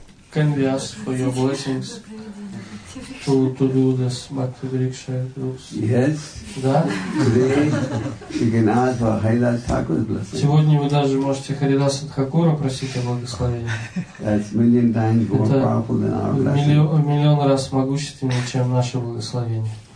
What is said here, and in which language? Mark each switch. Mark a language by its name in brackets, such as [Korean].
[English] Can we ask for your blessings to do this bhakti riksha groups? Yes. [Russian] Да? [English] Today you can ask for Haridas Thakur's blessing. [Russian] Сегодня вы даже можете Харидаса Тхакура просить о благословении. [English] That's million times more powerful than our blessing. [Russian] Миллион раз могущественнее, чем наше благословение.